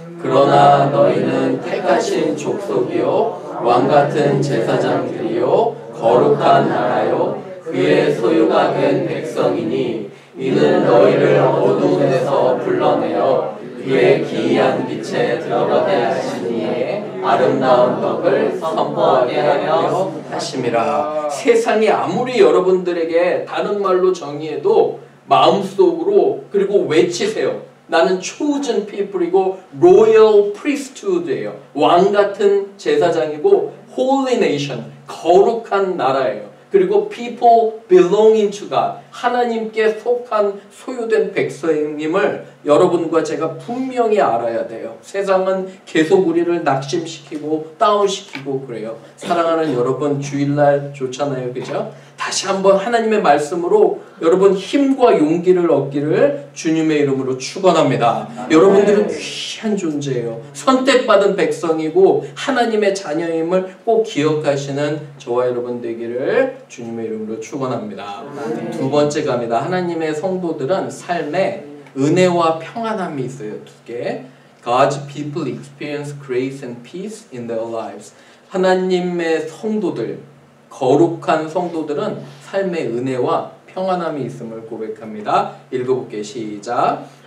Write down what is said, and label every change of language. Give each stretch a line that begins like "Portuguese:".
Korean: 그러나 너희는 택하신 족속이요 왕같은 제사장들이요 거룩한 나라요 그의 소유가 된 백성이니 이는 너희를 어두운데서 불러내어 그의 기이한 빛에 들어가게 하시니에 아름다운 덕을 선포하게 하여 하심이라. 세상이 아무리 여러분들에게 다른 말로 정의해도 마음속으로 그리고 외치세요. 나는
English: chosen people
Korean: 이고
English: royal priesthood
Korean: 예요. 왕같은 제사장이고
English: holy nation,
Korean: 거룩한 나라예요. 그리고
English: people belonging to God,
Korean: 하나님께 속한 소유된 백성임을 여러분과 제가 분명히 알아야 돼요. 세상은 계속 우리를 낙심시키고 다운시키고 그래요. 사랑하는 여러분, 주일날 좋잖아요. 그죠? 다시 한번 하나님의 말씀으로 여러분 힘과 용기를 얻기를 주님의 이름으로 축원합니다. 여러분들은 귀한 존재예요. 선택받은 백성이고 하나님의 자녀임을 꼭 기억하시는 저와 여러분 되기를 주님의 이름으로 축원합니다. 두 번째 갑니다. 하나님의 성도들은 삶에 은혜와 평안함이 있어요. 두 개.
English: God's people experience grace and peace in their lives.
Korean: 하나님의 성도들, 거룩한 성도들은 삶의 은혜와 평안함이 있음을 고백합니다. 읽어볼게요. 시작.